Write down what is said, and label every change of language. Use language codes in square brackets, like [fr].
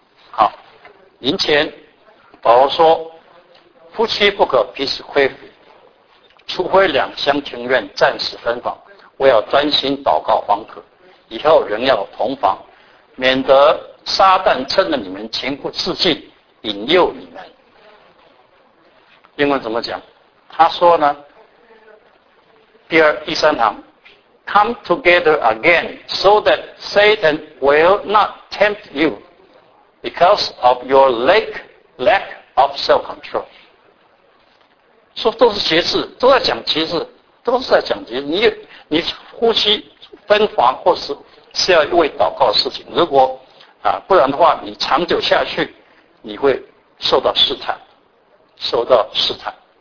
[zh] 好，临前保罗说夫妻不可彼此亏负，除非两厢情愿暂时分房，我要专心祷告方可，以后仍要同房，免得撒旦趁着你们情不自禁引诱你们。英文怎么讲，他说呢，第二第三堂 [en] come together again so that Satan will not tempt you because of your lack of self-control。 [zh] 说都是节制，都在讲节制，都是在讲节制。你呼吸分房或是是要为祷告的事情，如果啊，不然的话你长久下去你会受到试探，受到试探。